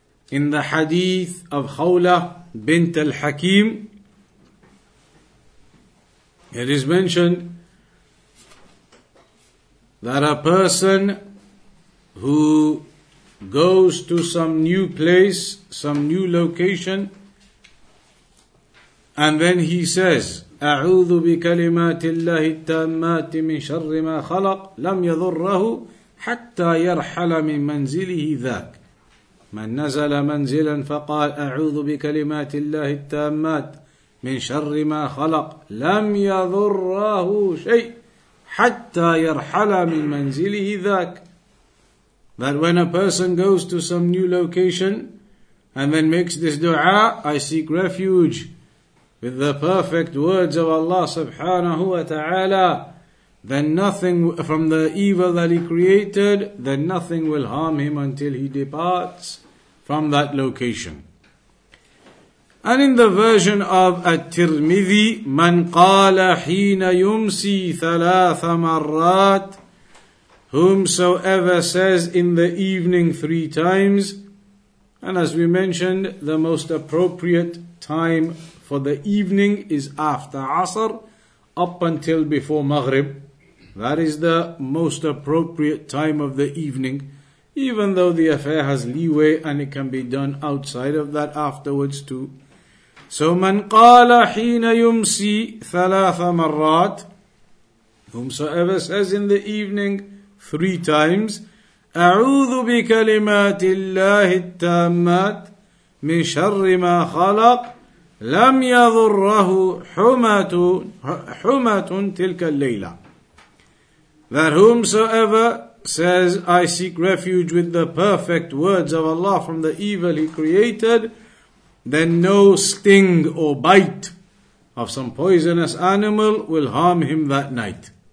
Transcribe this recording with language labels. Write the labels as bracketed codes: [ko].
[en] In the hadith of Khawla bint al-Hakim, it is mentioned that a person who goes to some new place, some new location, and then he says, [ar] أعوذ بكلمات الله التامات من شر ما خلق لم يضره حتى يرحل من منزله ذاك. من نزل منزلا فقال أعوذ بكلمات الله التامات من شر ما خلق لم يضره شيء حتى يرحل من منزله ذاك. [en] That when a person goes to some new location and then makes this dua, I seek refuge with the perfect words of Allah subhanahu wa ta'ala, then nothing from the evil that He created, then nothing will harm him until he departs from that location. And in the version of At-Tirmidhi, [ar] من قال حين يمسي ثلاث مرات, [en] whomsoever says in the evening three times. And as we mentioned, the most appropriate time for the evening is after Asr, up until before Maghrib. That is the most appropriate time of the evening, even though the affair has leeway and it can be done outside of that afterwards too. [ar] So, من قال حين يمسي ثلاث مرات, [en] whomsoever says in the evening three times, [ar] أعوذ بكلمات الله التامات من شر ما خلق لم يضره حمة تلك الليلة. [en] That whomsoever says, I seek refuge with the perfect words of Allah from the evil He created, then no sting or bite of some poisonous animal will harm him that night.